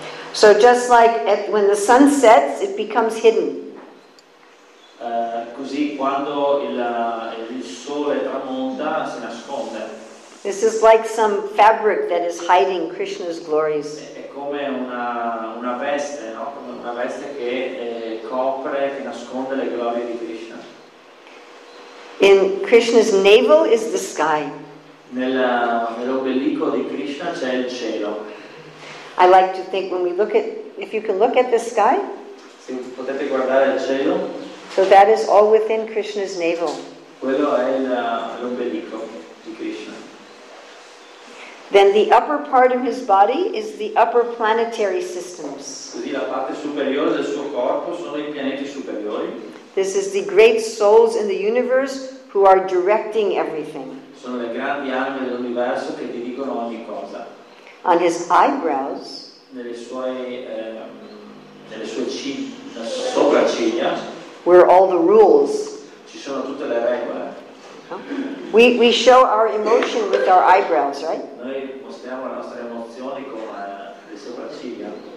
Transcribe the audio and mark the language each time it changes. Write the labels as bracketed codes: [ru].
[en] So just like when the sun sets, it becomes hidden. [it] Così quando il sole tramonta si nasconde. [en] This is like some fabric that is hiding Krishna's glories. [it] È come una veste, no? Come una veste che copre, che nasconde le glorie di Krishna. [en] In Krishna's navel is the sky. [it] Nell'ombelico di Krishna c'è il cielo. [en] I like to think when we look at, if you can look at the sky. [it] Se potete guardare il cielo. [en] So that is all within Krishna's navel. [it] Quello è l'ombelico di Krishna. [en] Then the upper part of his body is the upper planetary systems. [it] Quindi la parte superiore del suo corpo sono i pianeti superiori. [en] This is the great souls in the universe who are directing everything. [it] Sono le grandi anime dell'universo che ti dicono ogni cosa. [en] On his eyebrows. [it] Nelle sue sopracciglia. [en] Where all the rules. [it] Ci sono tutte le regole. Huh? [en] We show our emotion with our eyebrows, right? [it] Noi mostriamo le nostre emozioni con le sopracciglia.